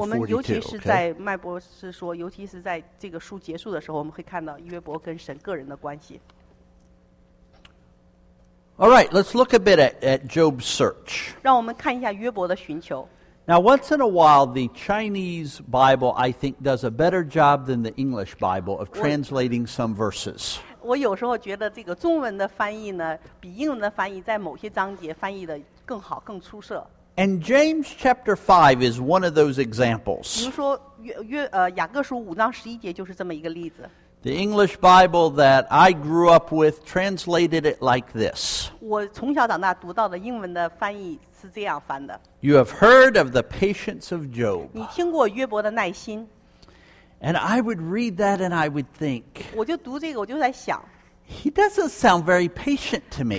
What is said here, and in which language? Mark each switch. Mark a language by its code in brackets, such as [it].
[zh] 我们尤其是在麦博士说， 尤其是在这个书结束的时候， 我们会看到约伯跟神个人的关系。 [en] All right, let's look a bit at Job's search. [zh] 让我们看一下约伯的寻求。 [en] Now, once in a while, the Chinese Bible, I think, does a better job than the English Bible of translating some verses. [zh] 我有时候觉得这个中文的翻译呢，比英文的翻译在某些章节翻译的更好、更出色。 [en] And James chapter 5 is one of those examples. [zh] 比如说，雅各书五章十一节就是这么一个例子。 [en] The English Bible that I grew up with translated it like this. [zh] 我从小长大读到的英文的翻译是这样翻的。 [en] You have heard of the patience of Job. [zh] 你听过约伯的耐心。 [en] And I would read that and I would think. [zh] 我就读这个，我就在想。 [en] He doesn't sound very patient to me.